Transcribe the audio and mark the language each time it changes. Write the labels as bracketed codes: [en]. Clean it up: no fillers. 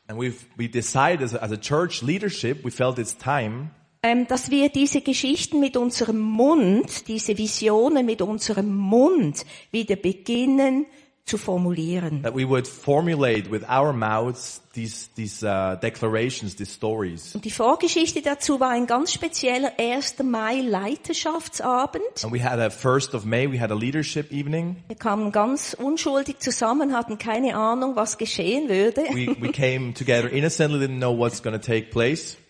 [en] And we decided as a church leadership, we felt it's time, [de] dass wir diese Geschichten mit unserem Mund, diese Visionen mit unserem Mund wieder beginnen zu formulieren. [en] That we would formulate with our mouths these declarations, these stories. [de] Und die Vorgeschichte dazu war ein ganz spezieller 1. Mai Leiterschaftsabend. [en] And we had a 1st of May, we had a leadership evening. [de] Wir kamen ganz unschuldig zusammen, hatten keine Ahnung, was geschehen würde. [en] We came together innocently, didn't know what's going to take place.